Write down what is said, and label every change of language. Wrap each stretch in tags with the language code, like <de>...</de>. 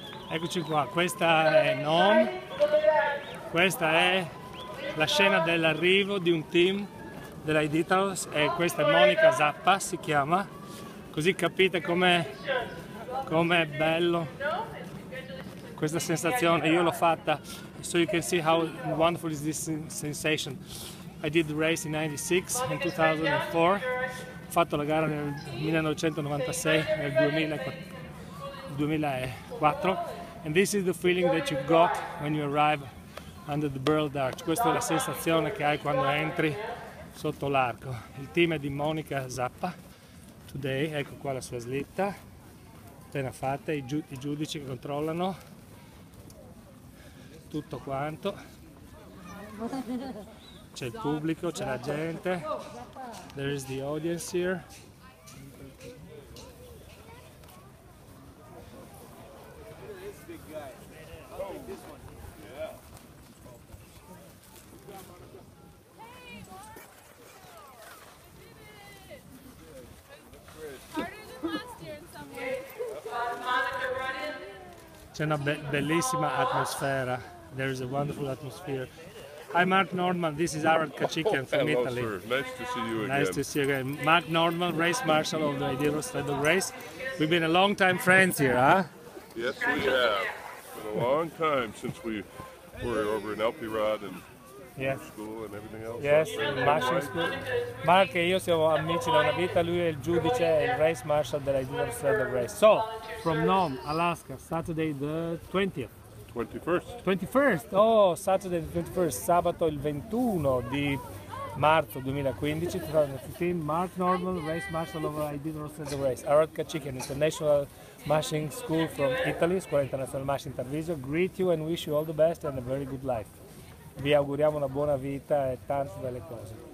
<it>Eccoci qua, questa è Nom, questa è la scena dell'arrivo di un team della Editals e questa è Monica Zappa, si chiama, così capite com'è bello questa sensazione. Io l'ho fatta,</it> <en>so you can see how wonderful is this sensation. I did the race in 96 and 2004,</en> <it>ho fatto la gara nel 1996, nel 2004.</it> <en>And this is the feeling that you got when you arrive under the Burled Arch.</en> <it>Questa è la sensazione che hai quando entri sotto l'arco. Il team è di Monica Zappa.</it> <en>Today,</en> <it>ecco qua la sua slitta. Appena fatta, i giudici che controllano tutto quanto. C'è il pubblico, c'è la gente.</it> <en>There is the audience here.</en> <it>C'è una bellissima atmosfera.</it> <en>There is a wonderful atmosphere. I'm Mark Nordman. This is Aaron Kachikian from Italy. Hello, sir. Nice to see you again. Nice to see you again. Mark Nordman, race marshal of the Editals Federal Race. We've been a long time friends here, huh? Yes, we have. It's been a long time since we were over in Elpirod and school and everything else. Yes, marshal school.</en> <it>Mark e io siamo amici da una vita. Lui è il giudice e il race marshal della Editals Federal Race.</it> <en>So, from Nome, Alaska, Saturday the 20th. 21st. Oh, Saturday the 21st,</en> <it>sabato il 21 di marzo 2015.</it> <en>Mark Nordman, race marshal of Editals Federal Race. Aaron Kachikian, International Marshing School from Italy, Scuola Internazionale Marshing Tarvisio. Greet you and wish you all the best and a very good life.</en> <it>Vi auguriamo una buona vita e tante belle cose.</it>